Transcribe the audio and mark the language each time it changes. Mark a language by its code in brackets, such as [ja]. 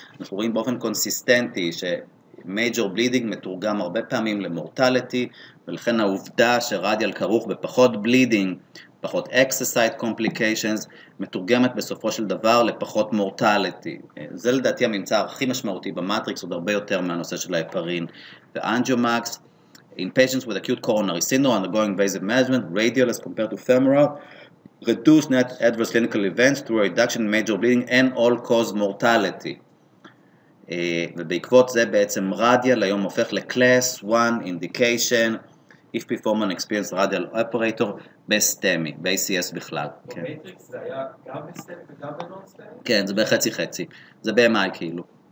[he] אנחנו רואים באופן קונסיסטנטי שמייג'ור בלידינג מתורגם הרבה פעמים למורטליטי, ולכן העובדה שרדיאל כרוך בפחות בלידינג, פחות אקססייט קומפליקיישנס, מתורגמת בסופו של דבר לפחות מורטליטי. זה לדעתי הממצא הכי משמעותי במטריקס, עוד הרבה יותר מהנושא של ההפרין ואנג'יומקס. [en] In patients with acute coronary syndrome undergoing invasive management, radial as compared to femoral, reduced net adverse clinical events through a reduction in major bleeding and all-cause mortality. [he] ובעקבות זה בעצם רדיאל היום הופך ל-class 1 indication [en] if perform an experienced radial operator [he] בסטמי, ב-ACS בכלל. במטריקס זה היה גם בסטמי וגם בנונסטמי? כן, זה בחצי-חצי. זה ב-MI כאילו.